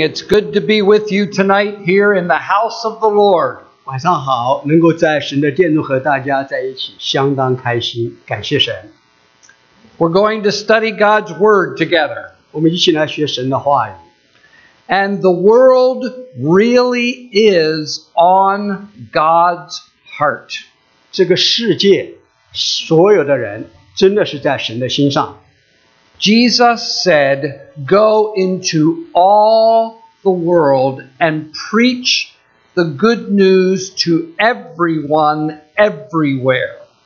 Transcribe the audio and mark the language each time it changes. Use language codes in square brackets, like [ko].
[en] It's good to be with you tonight here in the house of the Lord. [zh] 晚上好, 能够在神的殿中和大家在一起,相当开心, 感谢神。 [en] We're going to study God's Word together. [zh] 我们一起来学神的话语。 [en] And the world really is on God's heart. [zh] 这个世界,所有的人真的是在神的心上。 [en] Jesus said, go into all the world and preach the good news to everyone, everywhere.